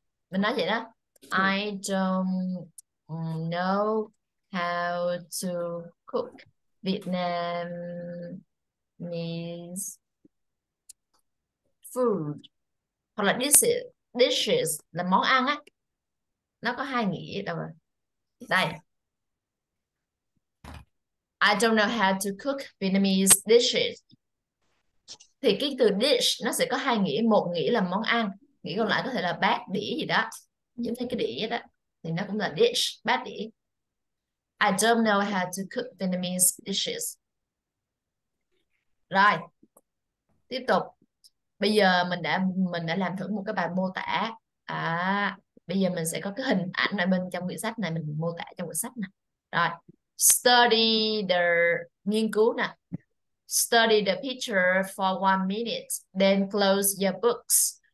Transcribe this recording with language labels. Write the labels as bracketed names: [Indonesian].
[Vietnamese] Mình nói vậy đó. [English] I don't know how to cook Vietnamese food. [Vietnamese] Hoặc là dishes là món ăn á. Nó có hai nghĩa đâu rồi. Đây. [English] I don't know how to cook Vietnamese dishes. [Vietnamese] Thì cái từ dish nó sẽ có hai nghĩa, một nghĩa là món ăn, nghĩa còn lại có thể là bát đĩa gì đó, giống như cái đĩa đó thì nó cũng là dish, bát đĩa. [English] I don't know how to cook Vietnamese dishes. [Vietnamese] Rồi. Tiếp tục. Bây giờ mình đã làm thử một cái bài mô tả. À, bây giờ mình sẽ có cái hình ảnh ở bên trong quyển sách này, mình mô tả trong quyển sách này. Rồi. [English] Study the [Vietnamese] nghiên cứu nè. [English] Study the picture for 1 minute, then close your books.